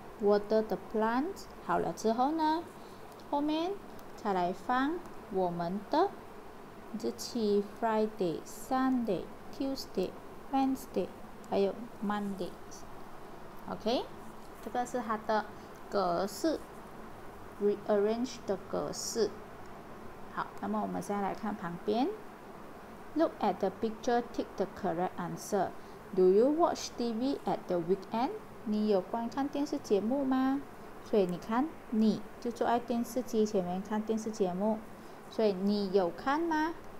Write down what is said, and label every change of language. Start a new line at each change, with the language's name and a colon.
English: Water the plants
Chinese: 好了之后呢，后面才来放我们的日期
English: Friday Sunday Tuesday Wednesday
Chinese: 还有 Monday。 OK， 这个是它的格式， Rearrange 的格式。好，那么我们现在来看旁边。
English: Look at the picture, take the correct answer. Do you watch TV at the weekend?
Chinese: 你有观看电视节目吗？所以你看，你就坐在电视机前面看电视节目，所以你有看吗？